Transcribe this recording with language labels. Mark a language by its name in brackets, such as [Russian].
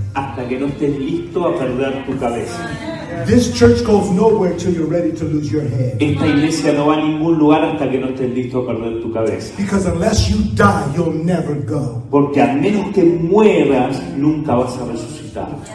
[Spanish] Hasta que no estés listo a perder tu cabeza. [English] This church goes nowhere till you're ready to lose your head. [Spanish] Esta iglesia no va a ningún lugar hasta que no estés listo a perder tu cabeza. [English] Because unless you die, you'll never go. [Spanish] Porque al menos que mueras, nunca vas a resucitar.